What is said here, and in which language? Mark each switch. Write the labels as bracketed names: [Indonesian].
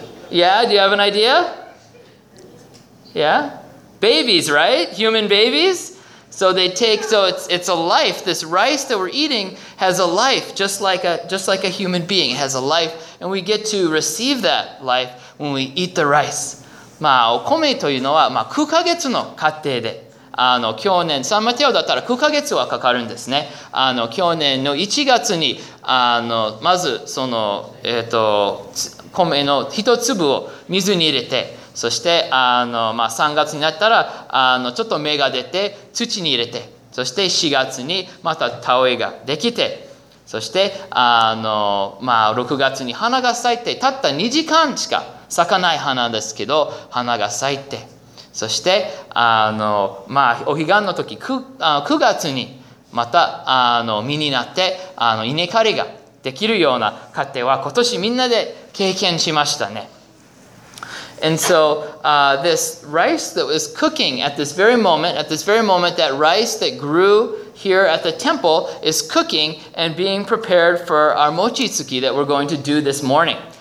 [English] Yeah, do you have an idea? Yeah? Babies, right? Human babies? So they take, so it's a life. This rice that we're eating has a life, just like a human being. It has a life. And we get to receive that life when we eat the rice. [Japanese] まあ、お米というのは、まあ、9ヶ月の過程で、去年、サンマテオだったら9ヶ月はかかるんですね。去年の1月に、まず、その、米の一粒を水に入れて、そして、まあ、3月になったら、ちょっと芽が出て、土に入れて、そして4月にまた田植えができて、そして、まあ、6月に花が咲いて、たった2時間しか、咲かない花ですけど、花が咲いて、そしてまあ、お彼岸の時 9月にまた実になって稲刈りができるような過程は今年みんなで経験しましたね。 [English] And so, this rice that was cooking at this very moment, that rice that grew here at the temple is cooking and being prepared for our mochi tsuki that we're going to do this morning.